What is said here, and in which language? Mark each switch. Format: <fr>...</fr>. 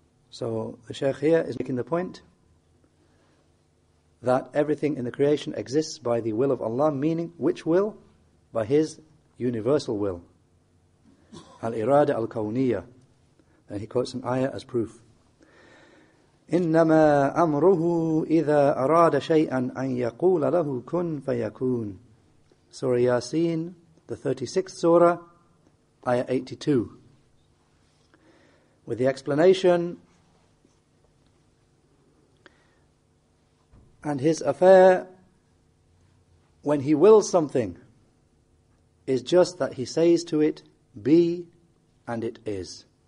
<en>So the Shaykh here is making the point that everything in the creation exists by the will of Allah, meaning which will? By His universal will. Al-irada al-kawniya. Then he quotes an ayah as proof.</en> <ar>إِنَّمَا أَمْرُهُ إِذَا أَرَادَ شَيْئًا أَنْ يَقُولَ لَهُ كُنْ فَيَكُونَ</ar> <en>Surah Yasin, the 36th surah, ayah 82. With the explanation, and his affair, when he wills something, is just that he says to it, be, and it is.</en>